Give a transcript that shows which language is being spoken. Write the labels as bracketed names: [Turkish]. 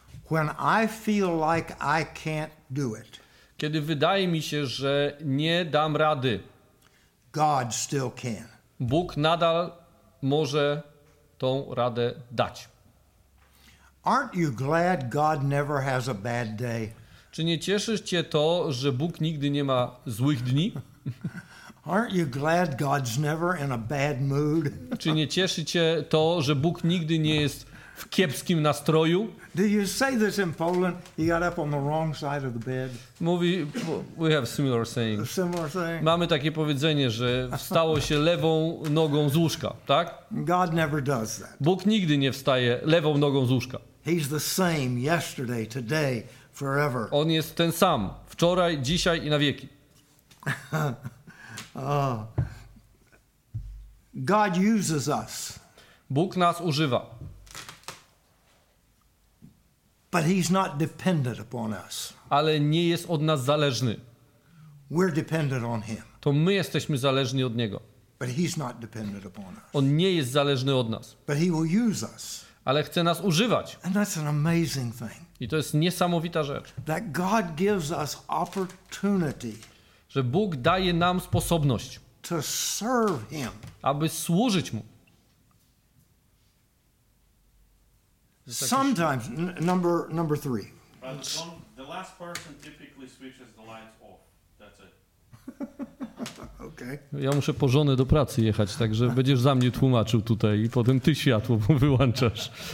[English] When I feel like I can't do it. [Polish] Kiedy wydaje mi się, że nie dam rady. [English] God still can. [Polish] Bóg nadal może tą radę dać. [English] Aren't you glad God never has a bad day? [Polish] Czy nie cieszy cię to, że Bóg nigdy nie ma złych dni? [English] Aren't you glad God's never in a bad mood? [Polish] Czy nie cieszy cię to, że Bóg nigdy nie jest w kiepskim nastroju? [English] Do you say this in Poland? You got up on the wrong side of the bed. We have similar saying. A similar thing. [Polish] Mamy takie powiedzenie, że wstało się lewą nogą z łóżka, tak? [English] God never does that. [Polish] Bóg nigdy nie wstaje lewą nogą z łóżka. [English] He's the same yesterday, today, forever. [Polish] On jest ten sam wczoraj, dzisiaj i na wieki. [English] God uses us. [Polish] Bóg nas używa. [English] But he's not dependent upon us. [Polish] Ale nie jest od nas zależny. [English] We're dependent on him. [Polish] To my jesteśmy zależni od niego. [English] But he's not dependent upon us. [Polish] On nie jest zależny od nas. [English] But he will use us. [Polish] Ale chce nas używać. [English] And that's an amazing thing. [Polish] I to jest niesamowita rzecz. [English] That God gives us opportunity. [Polish] Że Bóg daje nam sposobność. [English] To serve him. [Polish] Aby służyć mu. [English] Sometimes. Number three. The last person typically switches the lights off. That's it. Okay. [Polish] Ja muszę po żonę do pracy jechać, także będziesz za mnie tłumaczył tutaj i potem ty światło wyłączasz.